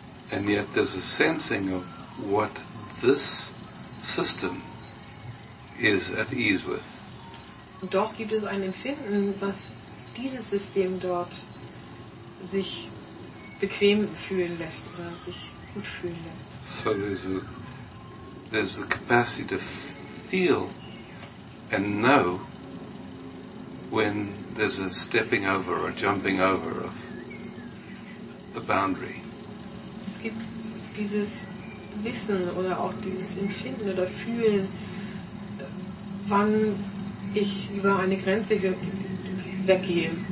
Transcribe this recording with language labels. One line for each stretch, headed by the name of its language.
English: And yet there's a sensing of what this system is at ease with.
German: Und doch gibt es ein Empfinden, was dieses System dort sich bequem fühlen lässt oder sich gut fühlen lässt.
English: So there's the capacity to feel and know when there's a stepping over or jumping over of the boundary.
German: Es gibt dieses Wissen oder auch dieses Empfinden oder Fühlen, wann ich über eine Grenze weggehe.